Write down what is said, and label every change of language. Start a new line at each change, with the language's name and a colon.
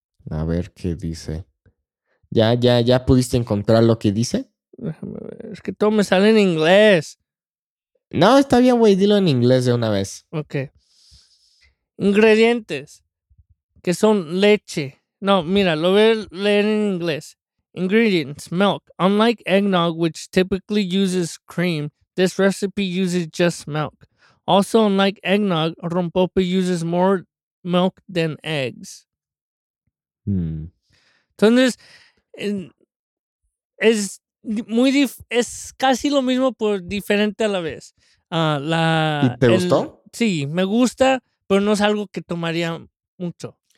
Spanish: A ver qué dice. ¿Ya pudiste encontrar lo que dice? Déjame ver. Es que todo me sale en inglés. No, está bien, güey. Dilo en inglés de una vez. Ok. Ingredientes. Que son leche. No, mira, lo voy a leer en inglés.
English: Ingredients. Milk. Unlike eggnog, which typically uses cream, this recipe uses just milk. Also, unlike eggnog, rompope uses more milk than eggs.
Spanish: Entonces, es casi lo mismo, pero diferente a la vez. ¿Te gustó? Sí, me gusta, pero no es algo que tomaría mucho.